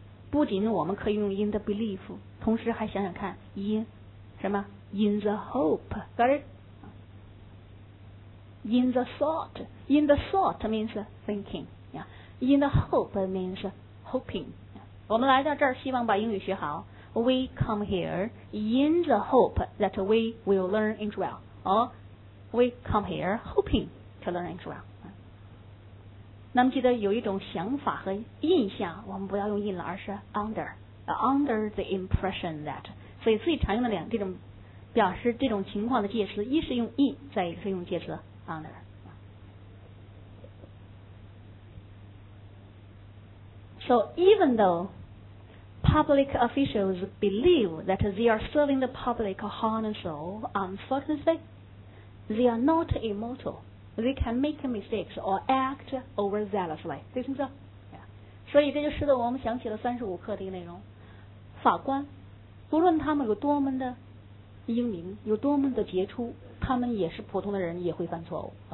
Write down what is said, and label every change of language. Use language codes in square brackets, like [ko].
[zh] 不仅我们可以用 [en] in the belief， [zh] 同时还想想看 in 什么 [en] in the hope， got it？ In the thought， in the thought means thinking， yeah， in the hope means hoping。 [zh] 我们来到这儿，希望把英语学好。 [en] We come here in the hope that we will learn English well. Or we come here hoping to learn English well. [zh] 那么记得有一种想法和印象，我们不要用 in 了，而是 under. [en] Under the impression that. [zh] 所以最常用的这种表示这种情况的介词，一是用 in， 再一个是用介词 under. [en] So even though public officials believe that they are serving the public heart and soul, unfortunately, they are not immortal. They can make mistakes or act overzealously. [zh] 对不对？所以这就使得我们想起了三十五课的内容。法官不论他们有多么的英明，有多么的杰出，他们也是普通的人，也会犯错误。